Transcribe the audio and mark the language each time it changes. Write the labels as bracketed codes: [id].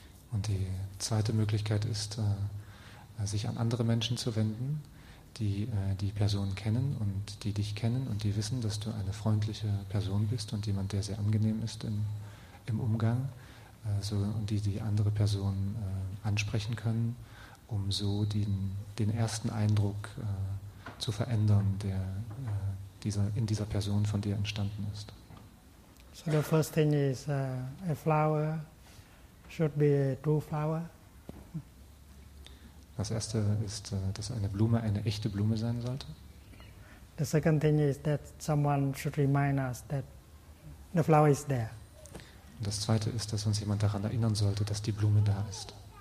[de] Und die zweite Möglichkeit ist, sich an andere Menschen zu wenden, die die Person kennen und die dich kennen und die wissen, dass du eine freundliche Person bist und jemand, der sehr angenehm ist im Umgang, und die andere Person ansprechen können, um so den ersten Eindruck zu verändern, der in dieser Person von dir entstanden ist. [en] So the first thing is a flower should be a true flower. [de] Das erste ist, dass eine Blume eine echte Blume sein sollte. [en] The second thing is that someone should remind us that the flower is there. [de] Und das zweite ist, dass uns jemand daran erinnern sollte, dass die Blume da ist.